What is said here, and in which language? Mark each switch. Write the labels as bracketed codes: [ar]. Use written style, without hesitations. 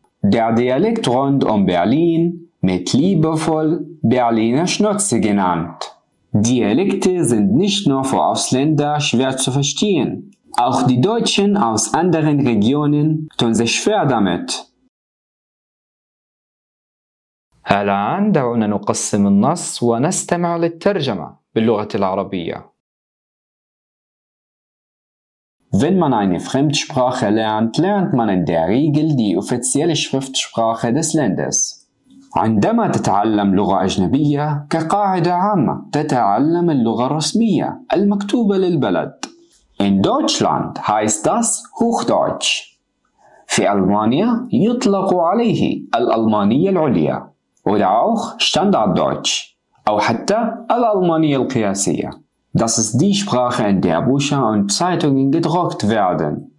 [de] Der Dialekt rund um Berlin mit liebevoll Berliner Schnauze genannt. Dialekte sind nicht nur für Ausländer schwer zu verstehen. Auch die Deutschen aus anderen Regionen tun sich schwer damit. [ar] الآن دعونا نقسم النص ونستمع للترجمة باللغة العربية. [de] Wenn man eine Fremdsprache lernt, lernt man in der Regel die offizielle Schriftsprache des Landes. [ar] عندما تتعلم لغة أجنبية كقاعدة عامة تتعلم اللغة الرسمية المكتوبة للبلد. [de] In Deutschland heißt das Hochdeutsch. [ar] في ألمانيا يطلق عليه الألمانية العليا [de] oder auch Standarddeutsch [ar] أو حتى الألمانية القياسية. [de] Das ist die Sprache, in der Bücher und Zeitungen gedruckt werden.